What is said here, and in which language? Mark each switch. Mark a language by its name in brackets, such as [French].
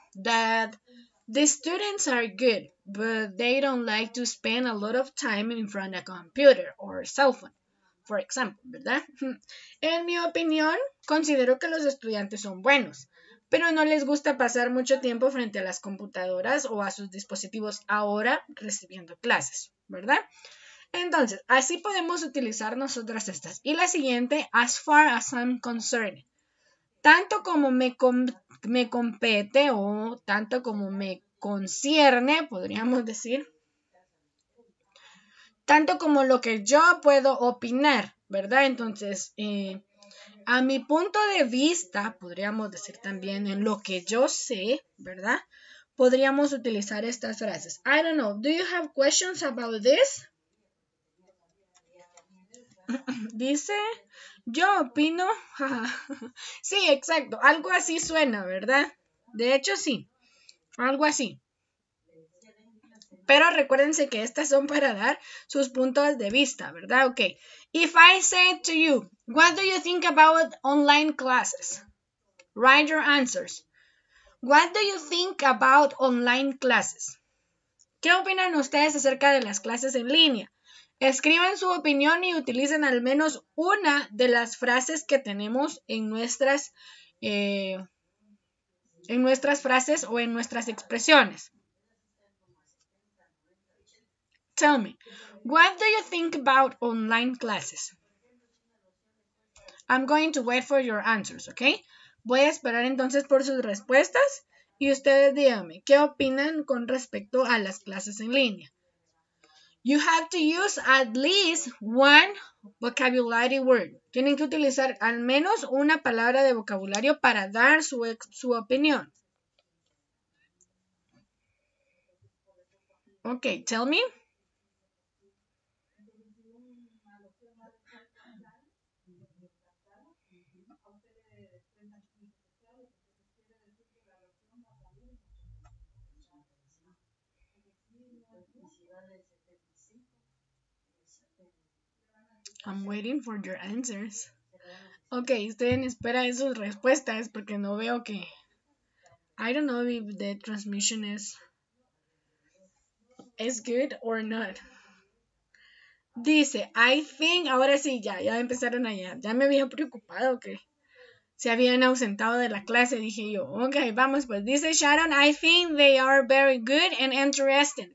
[English] That the students are good, but they don't like to spend a lot of time in front of a computer or cell phone, for example, ¿verdad? [Spanish] En mi opinión, considero que los estudiantes son buenos, pero no les gusta pasar mucho tiempo frente a las computadoras o a sus dispositivos ahora recibiendo clases, ¿verdad? Entonces, así podemos utilizar nosotras estas. Y la siguiente, [English] as far as I'm concerned. [Spanish] Tanto como me compete o tanto como me concierne, podríamos decir. Tanto como lo que yo puedo opinar, ¿verdad? Entonces, a mi punto de vista, podríamos decir también en lo que yo sé, ¿verdad? Podríamos utilizar estas frases. [English] I don't know. Do you have questions about this? [Spanish] Dice, yo opino. Sí, exacto. Algo así suena, ¿verdad? De hecho, sí. Algo así. Pero recuérdense que estas son para dar sus puntos de vista, ¿verdad? [English] Ok. If I say to you, what do you think about online classes? Write your answers. What do you think about online classes? [Spanish] ¿Qué opinan ustedes acerca de las clases en línea? Escriban su opinión y utilicen al menos una de las frases que tenemos en nuestras frases o en nuestras expresiones. [English] Tell me, what do you think about online classes? I'm going to wait for your answers, ¿ok? [Spanish] Voy a esperar entonces por sus respuestas y ustedes díganme, ¿qué opinan con respecto a las clases en línea? [English] You have to use at least one vocabulary word. [Spanish] Tienen que utilizar al menos una palabra de vocabulario para dar su opinión. [English] Okay, tell me. I'm waiting for your answers. [Spanish] Okay, estoy en espera de sus respuestas porque no veo que... [English] I don't know if the transmission is good or not. [Spanish] Dice, [English] I think... [Spanish] Ahora sí, ya empezaron allá. Ya me había preocupado que se habían ausentado de la clase, dije yo. Okay, vamos pues. [English] Dice Sharon, I think they are very good and interesting.